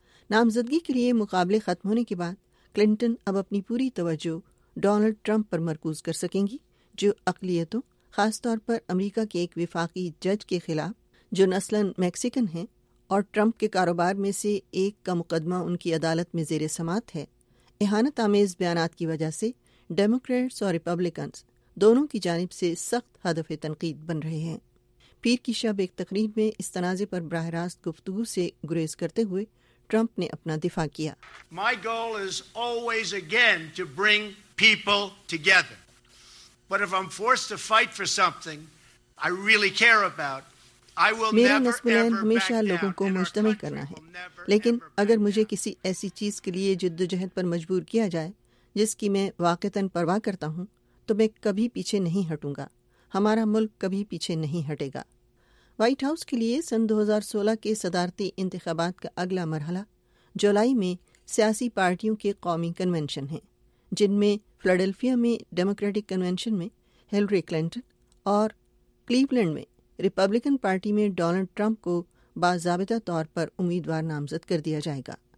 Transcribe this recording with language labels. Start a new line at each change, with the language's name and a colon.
Urdu: نامزدگی کے لیے مقابلے ختم ہونے کے بعد کلنٹن اب اپنی پوری توجہ ڈونلڈ ٹرمپ پر مرکوز کر سکیں گی, جو اقلیتوں, خاص طور پر امریکہ کے ایک وفاقی جج کے خلاف, جو نسلاً میکسیکن ہیں اور ٹرمپ کے کاروبار میں سے ایک کا مقدمہ ان کی عدالت میں زیر سماعت ہے, اہانت آمیز بیانات کی وجہ سے ڈیموکریٹس اور ریپبلیکنز دونوں کی جانب سے سخت ہدف تنقید بن رہے ہیں. پیر کی شب ایک تقریب میں اس تنازع پر براہ راست گفتگو سے گریز کرتے ہوئے ٹرمپ نے اپنا دفاع کیا.
English: My goal is always again to bring people together. But if I'm forced to fight for something I really care about, I will never ever back down.
Urdu: ہمیشہ لوگوں کو مجتمع کرنا ہے, لیکن اگر مجھے کسی ایسی چیز کے لیے جدوجہد پر مجبور کیا جائے جس کی میں واقعتاً پرواہ کرتا ہوں تو میں کبھی پیچھے نہیں ہٹوں گا. ہمارا ملک کبھی پیچھے نہیں ہٹے گا. وائٹ ہاؤس کے لیے سن 2016 کے صدارتی انتخابات کا اگلا مرحلہ جولائی میں سیاسی پارٹیوں کے قومی کنونشن ہیں, جن میں فلاڈلفیا میں ڈیموکریٹک کنونشن میں ہلری کلنٹن اور کلیولینڈ میں ریپبلکن پارٹی میں ڈونلڈ ٹرمپ کو باضابطہ طور پر امیدوار نامزد کر دیا جائے گا.